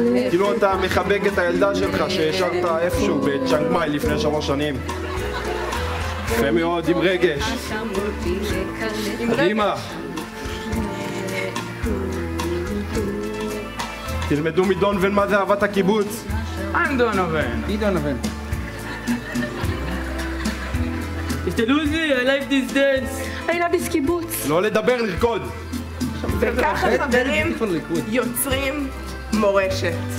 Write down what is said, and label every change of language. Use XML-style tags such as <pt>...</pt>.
<he>כאילו אתה מחבק את הילדה שלך שהשארת איפשהו בצ'אנגמאי לפני 3 שנים. יפה מאוד, עם רגש. קדימה. תלמדו מדונובן מה זה אהבת הקיבוץ. אני דונובן. היא דונובן.</he> <en>תלוזי, I love this dance. I love this קיבוץ.</en> <he>לא לדבר, לרקוד. וככה חברים יוצרים מורשת.</he>